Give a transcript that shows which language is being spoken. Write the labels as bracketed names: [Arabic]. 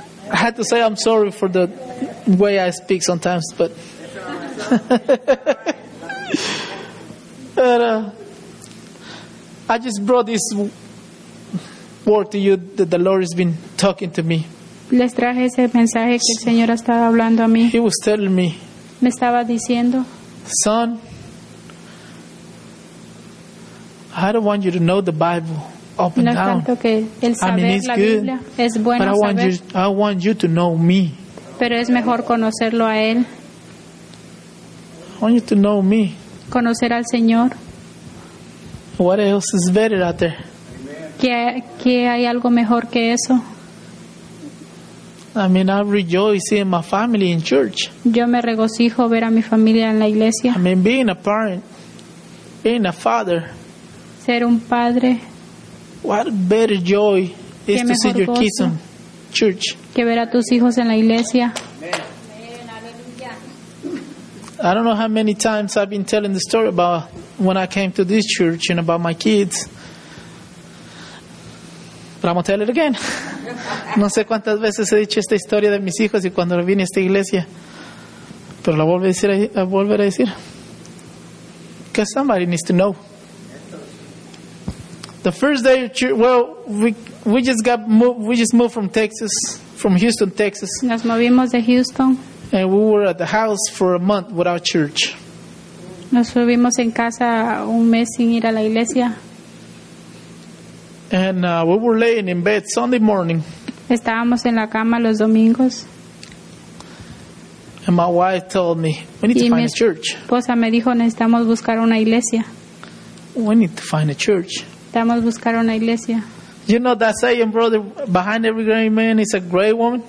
[English] I had to say I'm sorry for the way I speak sometimes, but I just brought this word to you that the Lord has been talking to me. [Spanish] Les traje ese mensaje que el Señor ha estado hablando a mí. [English] He was telling me. [Spanish] Me estaba diciendo, [English] son, I don't want you to know the Bible up and [Spanish] no [English] down. [Spanish] Tanto que el saber [English] I mean, it's [Spanish] la [English] good, [Spanish] es bueno [English] but I want you to know me. [Spanish] Pero es mejor conocerlo a él. [English] I want you to know me. [Spanish] Conocer al Señor. [English] What else is better out there? [Spanish] ¿Qué hay algo mejor que eso? [English] I mean, I rejoice seeing my family in church. [Spanish] Yo me regocijo ver a mi familia en la iglesia. [English] I mean, being a parent, being a father. [Spanish] Ser un padre. [English] What better joy is to see your kids in church? [Spanish] Que ver a tus hijos en la iglesia. [English] Amen. I don't know how many times I've been telling the story about when I came to this church and about my kids. But I'm going to tell it again. [Spanish] No sé cuántas veces he dicho esta historia de mis hijos y cuando vine a esta iglesia. Pero la volveré a decir. [English] Because somebody needs to know. The first day of church, well, we just moved from Texas, from Houston, Texas. [Spanish] Nos movimos de Houston. [English] And we were at the house for a month without church. [Spanish] Nos subimos en casa un mes sin ir a la iglesia. [English] And we were laying in bed Sunday morning. [Spanish] Estábamos en la cama los domingos. [English] And my wife told me, we need to find a church. [Spanish] Mi esposa me dijo, necesitamos buscar una iglesia. [English] We need to find a church. [Spanish] Necesitamos buscar una iglesia. [English] You know that saying, brother, behind every great man is a great woman?